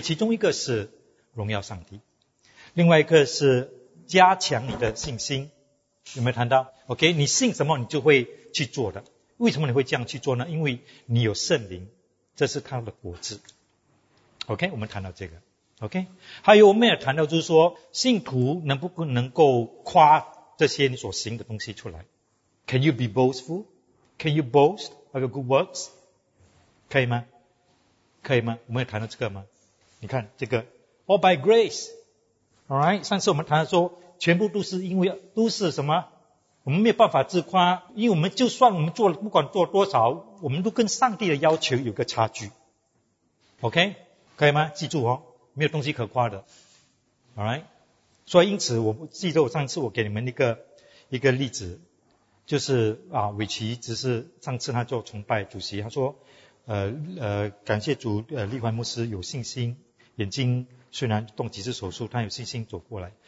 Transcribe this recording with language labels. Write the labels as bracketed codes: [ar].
[zh] 其中一个是荣耀上帝，另外一个是加强你的信心，有没有谈到 ？OK， 你信什么你就会去做的。为什么你会这样去做呢？因为你有圣灵，这是他的果子。OK， 我们谈到这个。 OK， 还有我们也谈到，就是说信徒能不能够夸这些你所行的东西出来 ？ [en] Can you be boastful? Can you boast about good works? [zh] 可以吗？可以吗？我们也谈到这个吗？你看这个 ， [en] All by grace。 [zh] All right， 上次我们谈到说，全部都是因为都是什么？我们没有办法自夸，因为我们就算我们做了，不管做多少，我们都跟上帝的要求有个差距。 OK， 可以吗？记住哦，没有东西可夸的。All right， 所以因此，我记得我上次我给你们一个例子，就是啊，伟奇只是上次他做崇拜主席，他说，感谢主，立怀牧师有信心，眼睛虽然动几次手术，他有信心走过来。